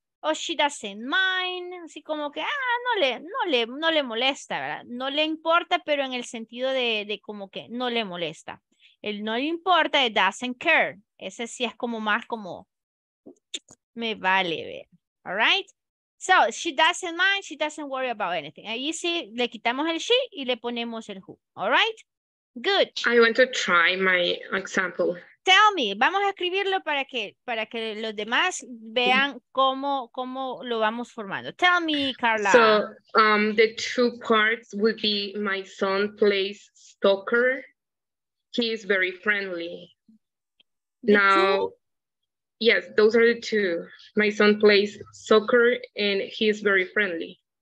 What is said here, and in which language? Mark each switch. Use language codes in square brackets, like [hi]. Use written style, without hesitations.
[es] Oh, she doesn't mind, así como que no le molesta, ¿verdad? No le importa, pero en el sentido de como que no le molesta. El no le importa es doesn't care. Ese sí es como más como me vale ver. [en] All right? So, she doesn't mind, she doesn't worry about anything. [es] Ahí sí le quitamos el she y le ponemos el who. All right? Good. [en] I want to try my example. [es] Tell me, vamos a escribirlo para que los demás vean cómo lo vamos formando. [en] Tell me, Carla. So, the two parts would be my son plays soccer. He is very friendly. Yes, those are the two. My son plays soccer and he is very friendly.